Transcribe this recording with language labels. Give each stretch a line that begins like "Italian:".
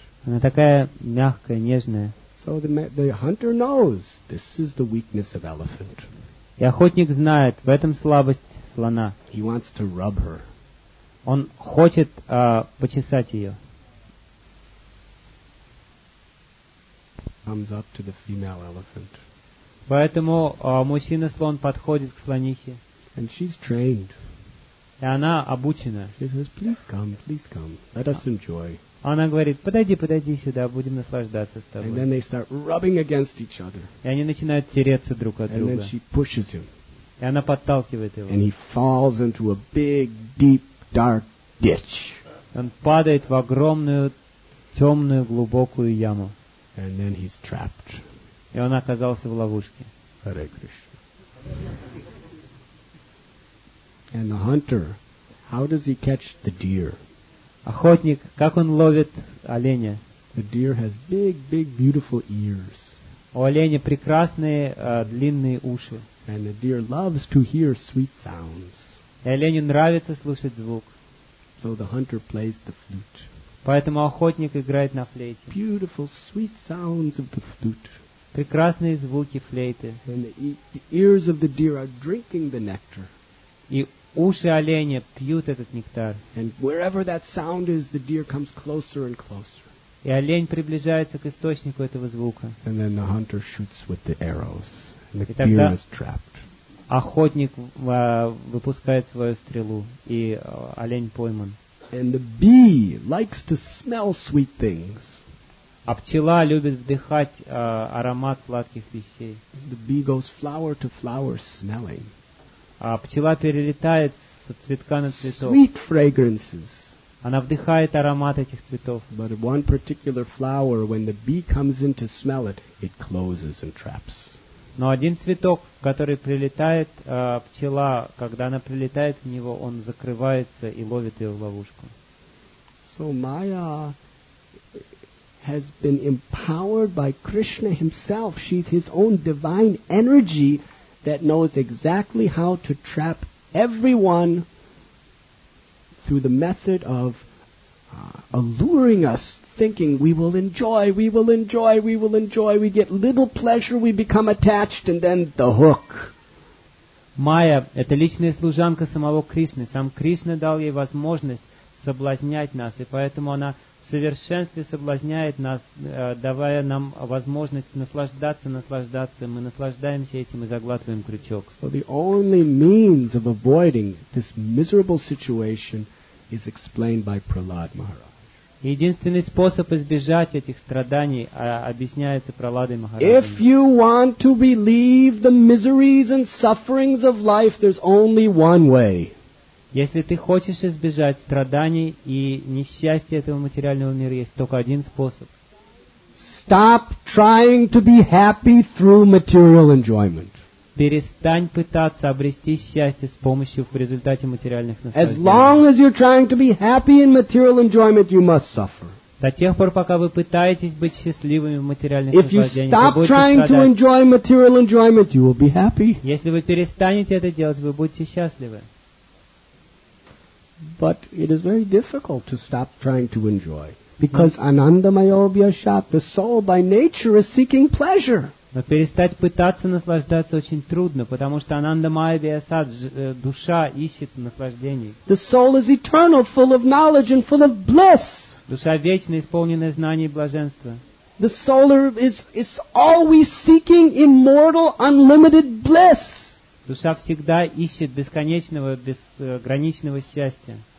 Russian: Она такая мягкая, нежная.
English: So the hunter knows this is the weakness of elephant.
Russian: И охотник знает, в этом слабость слона.
English: He wants to rub her.
Russian: Он хочет почесать ее.
English: Comes up to the female elephant.
Russian: Поэтому мужчина-слон подходит к слонихе.
English: And she's trained.
Russian: И она обучена.
English: She says, please come, please come. Let us enjoy.
Russian: Она говорит, подойди, подойди сюда, будем наслаждаться с тобой.
English: And then they start rubbing against each other.
Russian: И они начинают тереться друг от друга.
English: And then she pushes him.
Russian: И она подталкивает его.
English: And he falls into a big, deep, dark ditch.
Russian: Он падает в огромную, темную, глубокую яму.
English: And then he's trapped.
Russian: И он оказался в ловушке.
Sanskrit: Hare Krishna.
English: And the hunter, how does he catch the deer?
Russian: Охотник, как он ловит оленя?
English: The deer has big, big, beautiful ears.
Russian: У оленя прекрасные длинные уши.
English: And the deer loves to hear sweet sounds.
Russian: И оленю нравится слушать звук.
English: So the hunter plays the flute.
Russian: Поэтому охотник играет на флейте.
English: Beautiful, sweet sounds of the flute.
Russian: Прекрасные звуки флейты.
English: And the ears of the deer are drinking the nectar.
Russian: И уши оленя пьют этот нектар.
English: And wherever that sound is, the deer comes closer and closer.
Russian: И олень приближается к источнику этого звука.
English: And then the hunter shoots with the arrows, and the deer is trapped.
Russian: Охотник выпускает свою стрелу, и олень пойман.
English: And the bee likes to smell sweet things.
Russian: А пчела любит вдыхать аромат сладких вещей.
English: The bee goes flower to flower smelling.
Russian: А пчела перелетает с цветка на цветок.
English: Sweet fragrances.
Russian: Она вдыхает аромат этих цветов.
English: But one particular flower, when the bee comes in to smell it, it closes and traps.
Russian: Но один цветок, который прилетает, пчела, когда она прилетает в него, он закрывается и ловит ее в ловушку.
English: So Maya has been empowered by Krishna himself. She's his own divine energy that knows exactly how to trap everyone through the method of alluring us, thinking we will enjoy, we will enjoy, we will enjoy, we get little pleasure, we become attached, and then the hook.
Russian: Майя — это личная служанка самого Кришны. Сам Кришна дал ей возможность соблазнять нас, и поэтому она в совершенстве соблазняет нас, давая нам возможность наслаждаться, наслаждаться. Мы наслаждаемся этим и заглатываем крючок.
English: So the only means of avoiding this miserable situation is explained by Prahlad Maharaj.
Russian: Единственный способ избежать этих страданий объясняется Прахладой Махараджем.
English: If you want to relieve the miseries and sufferings of life, there's only one way.
Russian: Если ты хочешь избежать страданий и несчастья этого материального мира, есть только один способ.
English: Stop trying to be happy through material enjoyment.
Russian: Перестань пытаться обрести счастье с помощью в результате материальных наслаждений.
English: As long as you're trying to be happy in material enjoyment, you must suffer.
Russian: До тех пор, пока вы пытаетесь быть счастливыми в материальных наслаждениях, вы будете страдать.
English: If you stop trying to enjoy material enjoyment, you will be happy.
Russian: Если вы перестанете это делать, вы будете счастливы.
English: But it is very difficult to stop trying to enjoy, because anandamayobhyashat, the soul by nature is seeking pleasure.
Russian: Но перестать пытаться наслаждаться очень трудно, потому что Ананда Майя Виасад, душа, ищет наслаждений.
English: The soul is eternal, full of knowledge and full of bliss.
Russian: Душа вечна, исполненная знаний и блаженства.
English: The soul is always seeking immortal, unlimited bliss.
Russian: Душа всегда ищет бесконечного, безграничного счастья.